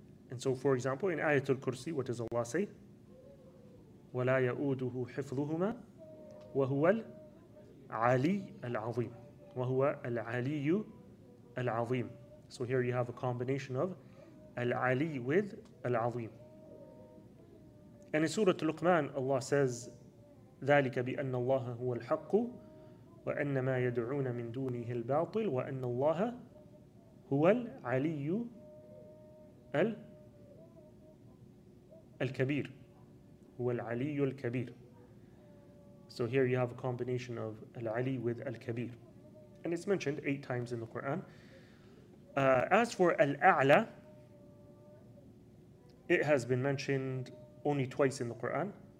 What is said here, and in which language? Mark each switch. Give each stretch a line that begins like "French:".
English: And so, for example, in Ayatul Kursi, what does Allah say?
Arabic: وَلَا يَؤُودُهُ حِفْظُهُمَا وَهُوَ الْعَلِيُّ الْعَظِيمُ وَهُوَ الْعَلِيُّ الْعَظِيمُ.
English: So here you have a combination of Al-Ali with Al-Azim. And in Surah Luqman, Allah says,
Arabic: ذَلِكَ بِأَنَّ اللَّهَ هُوَ الْحَقُّ وَأَنَّ مَا يَدْعُونَ مِن دُونِهِ الْبَاطِلُ وَأَنَّ اللَّهَ هُوَ الْعَلِيُّ الْكَبِيرُ وَالْعَلِيُّ الْكَبِيرُ.
English: So here you have a combination of Al-Ali with Al-Kabir. And it's mentioned 8 times in the Quran. As for Al-A'la, it has been mentioned only twice in the Quran.